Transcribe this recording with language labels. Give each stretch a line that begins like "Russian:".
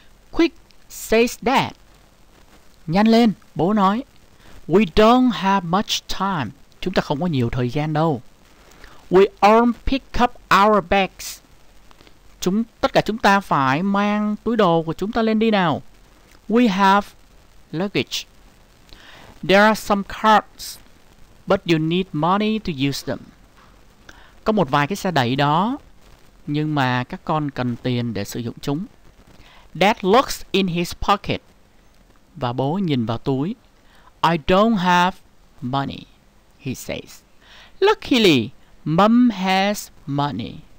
English: Quick, says dad.
Vietnamese: Nhanh lên, bố nói.
English: We don't have much time.
Vietnamese: Chúng ta không có nhiều thời gian đâu.
English: We all pick up our bags.
Vietnamese: Tất cả chúng ta phải mang túi đồ của chúng ta lên đi nào.
English: We have luggage. There are some carts, but you need money to use them.
Vietnamese: Có một vài cái xe đẩy đó, nhưng mà các con cần tiền để sử dụng chúng.
English: Dad looks in his pocket.
Vietnamese: Và bố nhìn vào túi.
English: I don't have money, he says. Luckily, mom has money.